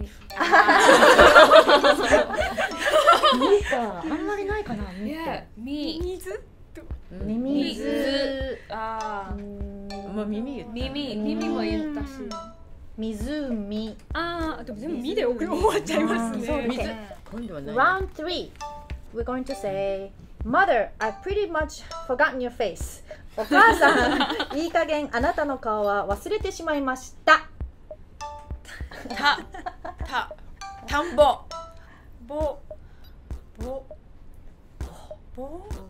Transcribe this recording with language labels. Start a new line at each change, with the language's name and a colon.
Japanese: みか、あんまりないかな。み、み、水。ミミズ、ああ、もう耳言った、耳、耳も言ったし、ミズミ、ああ、でも全部ミで終わっちゃいますね。そうですね。今度はね。
English: Round three, we're going to say, Mother, I've pretty much forgotten your face.
Japanese: お母さん、いい加減あなたの顔は忘れてしまいました。た、た、田んぼ、ぼ、ぼ、ぼ。